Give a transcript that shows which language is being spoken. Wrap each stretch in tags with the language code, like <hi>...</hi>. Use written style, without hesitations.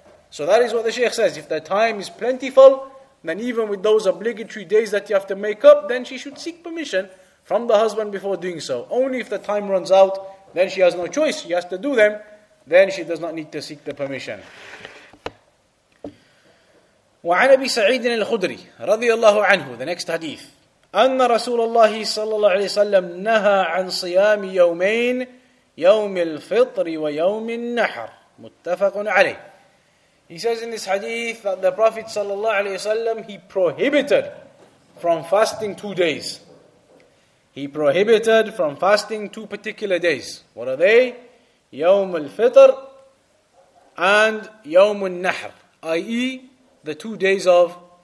<en>So that is what the Sheikh says. If the time is plentiful, then even with those obligatory days that you have to make up, then she should seek permission from the husband before doing so. Only if the time runs out, then she has no choice. She has to do them. Then she does not need to seek the permission.</en> <ar>وعن أبي سعيد الخدري رضي الله عنه.</ar> <en>The next hadith.</en> <ar>أن رسول الله صلى الله عليه وسلم نهى عن صيام يومين يوم الفطر ويوم النحر. متفق عليه.</ar> <en>He says in this hadith that the Prophet sallallahu alaihi wasallam, he prohibited from fasting 2 days. He prohibited from fasting two particular days. What are they? Yawm al-Fitr and Yawm al-Nahr, i.e. the 2 days of</en>